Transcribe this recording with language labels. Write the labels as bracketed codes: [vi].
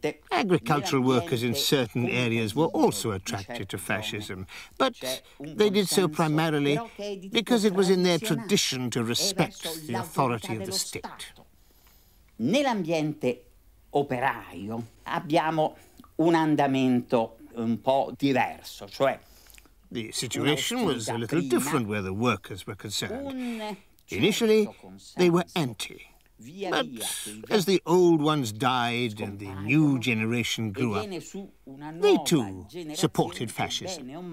[en] Agricultural workers in certain areas were also attracted to fascism, but they did so primarily because it was in their tradition to respect the authority of the state. [it] Nell'ambiente operaio abbiamo un andamento un po' diverso, cioè [en] the situation was a little different where the workers were concerned. Initially, they were anti. But as the old ones died and the new generation grew up, they too supported fascism.